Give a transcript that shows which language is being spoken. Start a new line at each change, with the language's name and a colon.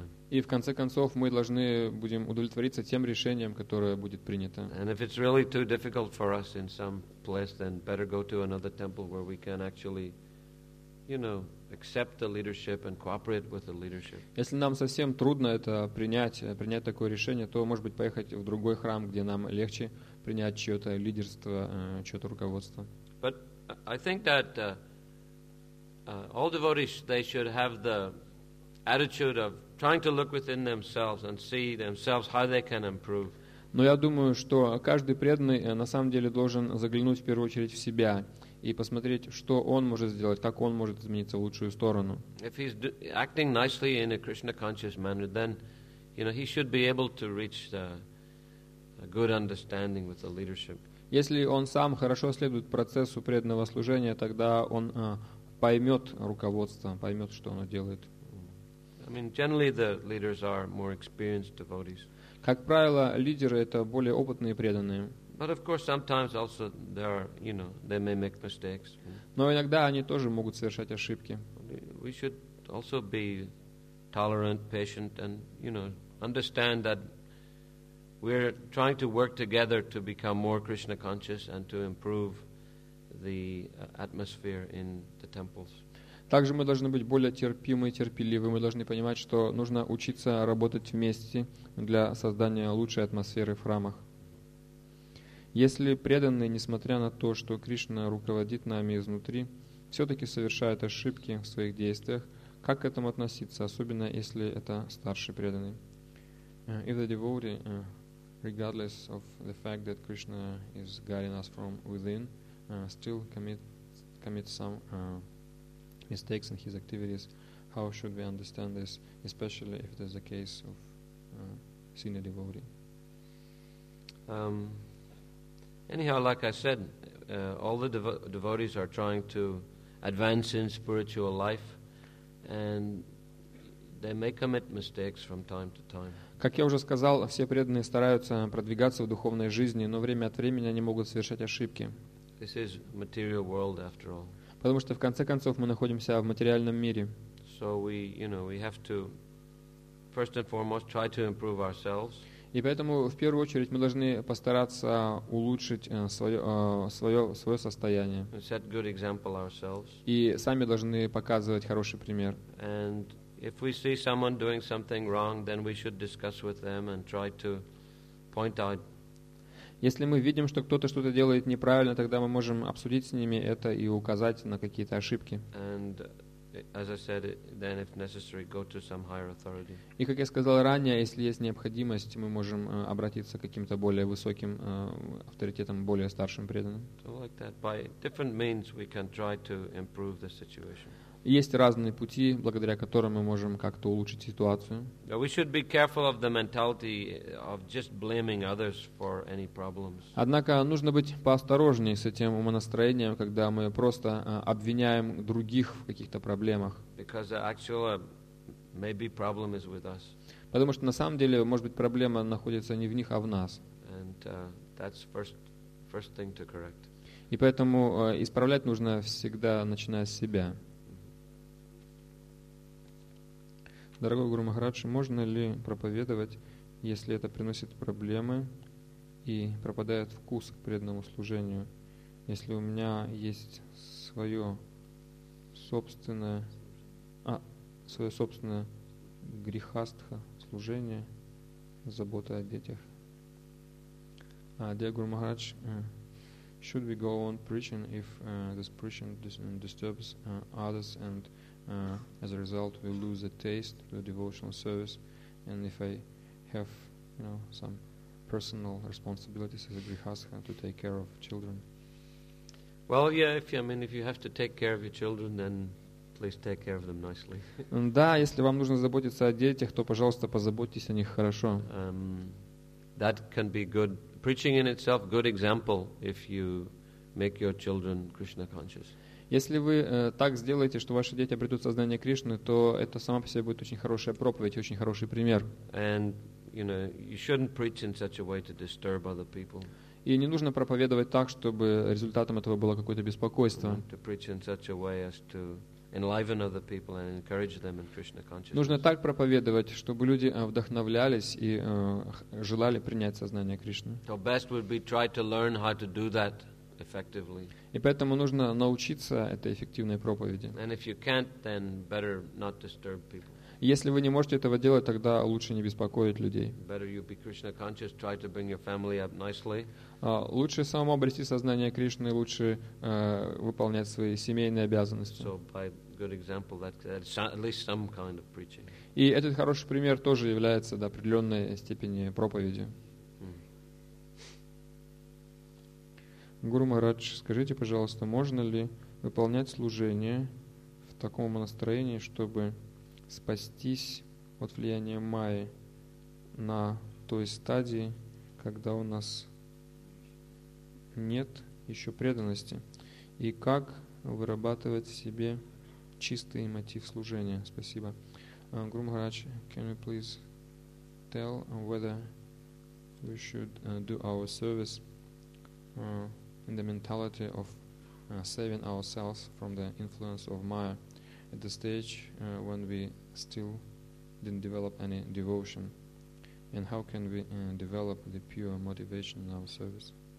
Russian: И в конце концов мы должны будем удовлетвориться тем решением, которое будет принято.
English: And if it's really too difficult for us in some place, then better go to another temple where we can actually, you know, accept the leadership and cooperate with the leadership.
Russian: Если нам совсем трудно это принять такое решение, то, может быть, поехать в другой храм, где нам легче принять чьё-то лидерство, чьё-то руководство.
English: But I think that all devotees, they should have the attitude of trying to look within themselves and see themselves how they can improve.
Russian: Но я думаю, что каждый преданный на самом деле должен заглянуть в первую очередь в себя и посмотреть, что он может сделать, как он может измениться в лучшую сторону.
English: If he's acting nicely in a Krishna conscious manner, then, you know, he should be able to reach a good understanding with the leadership.
Russian: Если он сам хорошо следует процессу преданного служения, тогда он поймет руководство, поймет, что оно делает.
English: I mean, generally the leaders are more experienced devotees.
Russian: Как правило, лидеры — это более опытные преданные.
English: But of course, sometimes also there are, you know, they may make mistakes.
Russian: Но иногда они тоже могут совершать ошибки.
English: We should also be tolerant, patient, and, you know, understand that we're trying to work together to become more Krishna conscious and to improve the atmosphere in the temples.
Russian: Также мы должны быть более терпимы и терпеливы. Мы должны понимать, что нужно учиться работать вместе для создания лучшей атмосферы в храмах. Если преданные, несмотря на то, что Кришна руководит нами изнутри, все-таки совершают ошибки в своих действиях, как к этому относиться, особенно если это старший преданный?
English: If the devotee, regardless of the fact that Krishna is guiding us from within, still commit some mistakes in his activities, how should we understand this, especially if it is the case of senior devotee? Anyhow, like I said, all the devotees are trying to advance in spiritual life, and they may commit mistakes from time to time.
Russian: Как я уже сказал, все преданные стараются продвигаться в духовной жизни, но время от времени они могут совершать ошибки.
English: This is material world, after all.
Russian: Потому что в конце концов мы находимся в материальном мире.
English: So we, you know, we have to first and foremost try to improve ourselves.
Russian: И поэтому в первую очередь мы должны постараться улучшить свое состояние.
English: And set good example ourselves.
Russian: И сами должны показывать хороший пример.
English: And if we see someone doing something wrong, then we should discuss with them and try to point out.
Russian: Если мы видим, что кто-то что-то делает неправильно, тогда мы можем обсудить с ними это и указать на какие-то ошибки.
English: And as I said, then if necessary, go to some higher authority.
Russian: И как я сказал ранее, если есть необходимость, мы можем обратиться к каким-то более высоким авторитетам, более старшим преданным.
English: So like that, by different means we can try to improve the situation.
Russian: Есть разные пути, благодаря которым мы можем как-то улучшить ситуацию.
English: We should be careful of the mentality of just blaming others for any problems.
Russian: Однако нужно быть поосторожнее с этим умонастроением, когда мы просто обвиняем других в каких-то проблемах.
English: Because the actual maybe problem is with us.
Russian: Потому что на самом деле, может быть, проблема находится не в них, а в нас.
English: And that's first thing to correct.
Russian: И поэтому исправлять нужно всегда, начиная с себя. Дорогой Гуру Махарадж, можно ли проповедовать, если это приносит проблемы и пропадает вкус к преданному служению? Если у меня есть свое собственное, свое собственное грехастха, служение, забота о детях.
English: Dear Guru Maharaj, should we go on preaching if this preaching disturbs others and as a result we lose the taste to the devotional service, and if I have, you know, some personal responsibilities as a grihastha to take care of children? Well, yeah, if you have to take care of your children, then please take care of them nicely.
Russian: Да, если вам нужно заботиться о детях, то, пожалуйста, позаботьтесь о них хорошо.
English: That can be good. Preaching in itself, good example, if you make your children Krishna conscious.
Russian: Если вы так сделаете, что ваши дети обретут сознание Кришны, то это сама по себе будет очень хорошая проповедь, очень хороший пример.
English: And, you know, you shouldn't preach in such a way to disturb other people.
Russian: И не нужно проповедовать так, чтобы результатом этого было какое-то беспокойство.
English: To preach in such a way as to enliven other people and encourage them in Krishna consciousness.
Russian: Нужно так проповедовать, чтобы люди вдохновлялись и желали принять сознание Кришны.
English: The best would be try to learn how to do that effectively.
Russian: И поэтому нужно научиться этой эффективной проповеди.
English: And if you can't, then better not disturb people.
Russian: Если вы не можете этого делать, тогда лучше не беспокоить людей.
English: Better you be Krishna conscious, try to bring your family up nicely.
Russian: Лучше самому обрести сознание Кришны, лучше выполнять свои семейные обязанности.
English: So by good example, that's at least some kind of preaching.
Russian: И этот хороший пример тоже является до определенной степени проповедью. Гуру Махарадж, скажите, пожалуйста, можно ли выполнять служение в таком настроении, чтобы спастись от влияния майи на той стадии, когда у нас нет еще преданности? И как вырабатывать в себе чистый мотив служения? Спасибо.
English: Гуру Махарадж, can you please tell whether we should do our service in the mentality of saving ourselves from the influence of maya at the stage when we still didn't develop any devotion, and how can we develop the pure motivation in our service?